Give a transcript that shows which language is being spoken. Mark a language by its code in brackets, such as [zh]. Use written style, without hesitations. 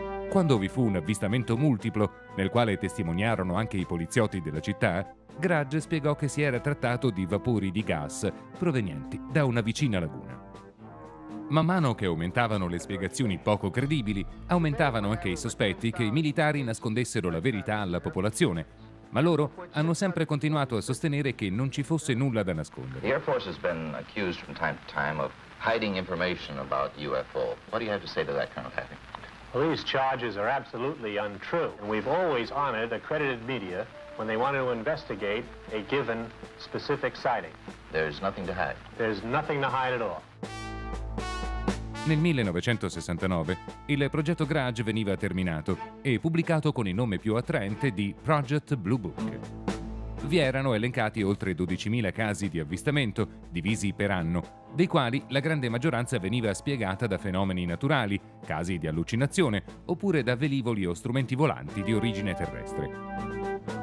[it] Quando vi fu un avvistamento multiplo, nel quale testimoniarono anche i poliziotti della città, Grudge spiegò che si era trattato di vapori di gas provenienti da una vicina laguna. Man mano che aumentavano le spiegazioni poco credibili, aumentavano anche i sospetti che i militari nascondessero la verità alla popolazione, ma loro hanno sempre continuato a sostenere che non ci fosse nulla da nascondere. [en] L'Air Force has been accused from time to time of hiding information about UFO. What do you have to say to that, Colonel Hattie? Well, these charges are absolutely untrue, and we've always honored accredited media when they wanted to investigate a given specific sighting. There's nothing to hide. There's nothing to hide at all. [it] Nel 1969 il progetto Grudge veniva terminato e pubblicato con il nome più attraente di Project Blue Book. Vi erano elencati oltre 12.000 casi di avvistamento, divisi per anno, dei quali la grande maggioranza veniva spiegata da fenomeni naturali, casi di allucinazione, oppure da velivoli o strumenti volanti di origine terrestre.